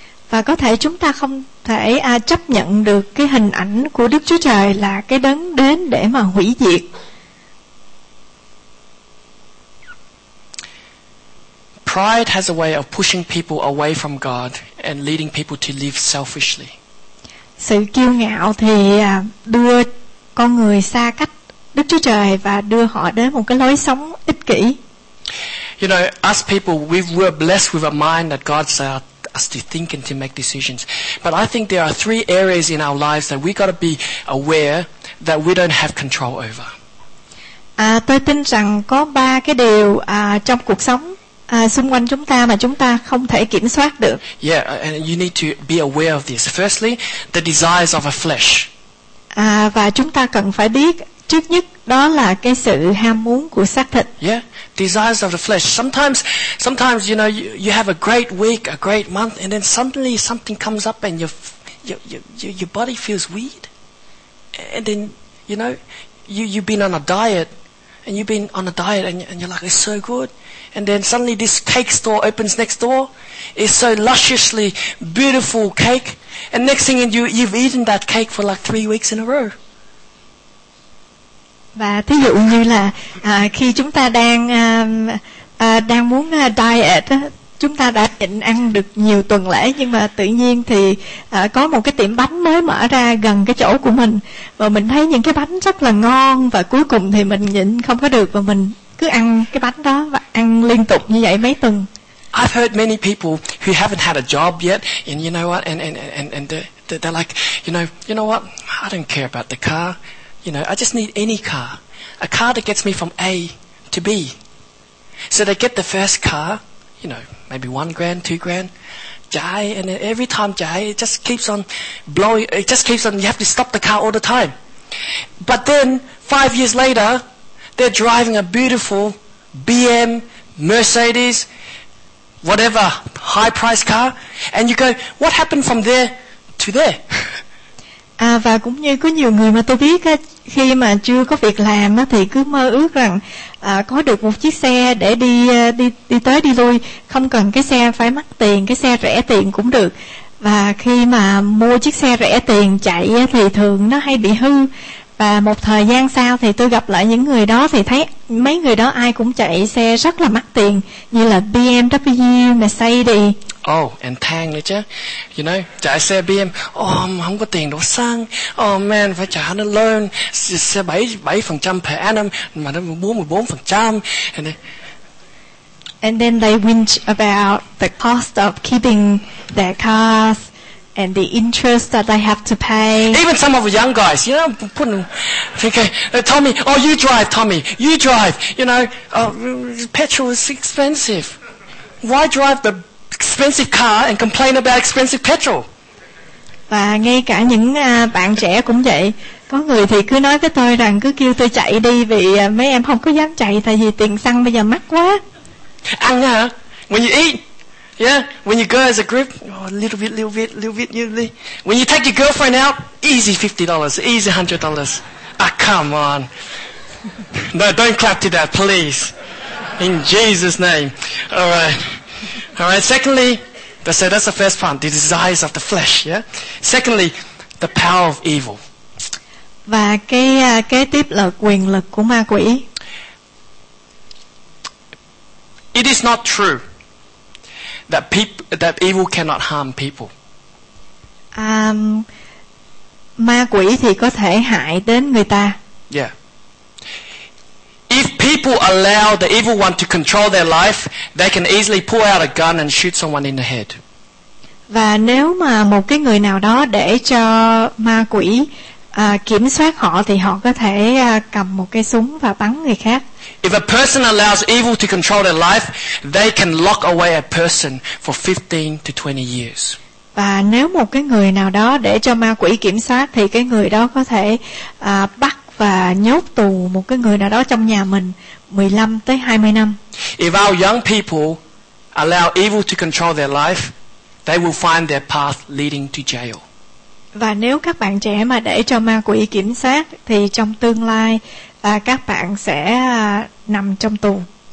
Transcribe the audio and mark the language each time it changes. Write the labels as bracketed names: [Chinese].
[Vietnamese] Và có thể chúng ta không thể chấp nhận được cái hình ảnh của Đức Chúa Trời là cái đấng đến để mà hủy diệt. [English] Pride has a way of pushing people away from God and leading people to live selfishly. [Vietnamese] Sự kiêu ngạo thì đưa con người xa cách Đức Chúa Trời và đưa họ đến một cái lối sống ích kỷ. [English] You know, us people, we were blessed with a mind that God's us to think and to make decisions. But I think there are three areas in our lives that we got to be aware that we don't have control over. [Vietnamese] Tôi tin rằng có ba cái điều trong cuộc sống xung quanh chúng ta mà chúng ta không thể kiểm soát được. [English] Yeah, and you need to be aware of this. Firstly, the desires of our flesh. [Vietnamese] Và chúng ta cần phải biết trước nhất đó là cái sự ham muốn của xác thịt. [English] Yeah, desires of the flesh. Sometimes you know you have a great week, a great month, and then suddenly something comes up and your body feels weird, and then you know you've been on a diet, and you've been on a diet, and you're like, it's so good, and then suddenly this cake store opens next door, it's so lusciously beautiful cake, and next thing you've eaten that cake for like 3 weeks in a row. [Vietnamese] Và thí dụ như là khi chúng ta đang đang muốn diet, chúng ta đã định ăn được nhiều tuần lễ, nhưng mà tự nhiên thì có một cái tiệm bánh mới mở ra gần cái chỗ của mình, và mình thấy những cái bánh rất là ngon, và cuối cùng thì mình nhịn không có được và mình cứ ăn cái bánh đó và ăn liên tục như vậy mấy tuần. [English] I've heard many people who haven't had a job yet, and you know what, and they're like, you know what, I don't care about the car. You know, I just need any car. A car that gets me from A to B. So they get the first car, you know, maybe $1,000, $2,000. Jai, and then every time Jai, it just keeps on blowing. It just keeps on, you have to stop the car all the time. But then, 5 years later, they're driving a beautiful BM, Mercedes, whatever, high-priced car. And you go, what happened from there to there? [Vietnamese] Và cũng như có nhiều người mà tôi biết khi mà chưa có việc làm thì cứ mơ ước rằng có được một chiếc xe để đi tới đi lui, không cần cái xe phải mắc tiền, cái xe rẻ tiền cũng được. Và khi mà mua chiếc xe rẻ tiền chạy thì thường nó hay bị hư. Và một thời gian sau thì tôi gặp lại những người đó thì thấy mấy người đó ai cũng chạy xe rất là mắc tiền, như là BMW, Mercedes. Oh, and thang nữa chứ. [English] You know, [Vietnamese] chạy xe BM. Oh, không có tiền đổ xăng. [English] Oh man, [Vietnamese] phải trả nó loan. Xe 7% per annum, mà nó 44%. [English] And then they whinge about the cost of keeping their cars and the interest that they have to pay. Even some of the young guys, you know, Tommy, oh, you drive, Tommy. You drive. You know, petrol is expensive. Why drive the expensive car and complain about expensive petrol? [Vietnamese] Và ngay cả những bạn trẻ cũng vậy. Có người thì cứ nói với tôi rằng cứ kêu tôi chạy đi vì mấy em không có dám chạy tại vì tiền xăng bây giờ mắc quá. Ăn hả? [English] When you eat, yeah. When you go as a group, oh, little bit. When you take your girlfriend out, easy $50, easy $100. Ah, come on. No, don't clap to that, please. In Jesus' name. All right. All right. Secondly, so that's the first part, the desires of the flesh. Yeah. Secondly, the power of evil. [Vietnamese] Và kế tiếp là quyền lực của ma quỷ. [English] It is not true that evil cannot harm people. [Vietnamese] Ma quỷ thì có thể hại đến người ta. [English] Yeah. If people allow the evil one to control their life, they can easily pull out a gun and shoot someone in the head. [Vietnamese] Và nếu mà một cái người nào đó để cho ma quỷ kiểm soát họ thì họ có thể cầm một cái súng và bắn người khác. [English] If a person allows evil to control their life, they can lock away a person for 15 to 20 years. [Vietnamese] Và nếu một cái người nào đó để cho ma quỷ kiểm soát thì cái người đó có thể bắt và nhốt tù một cái người nào đó trong nhà mình 15 tới 20 năm. [English] If our young people allow evil to control their life, they will find their path leading to jail. [Vietnamese] Và nếu các bạn trẻ mà để cho ma quỷ kiểm soát thì trong tương lai các bạn sẽ nằm trong tù.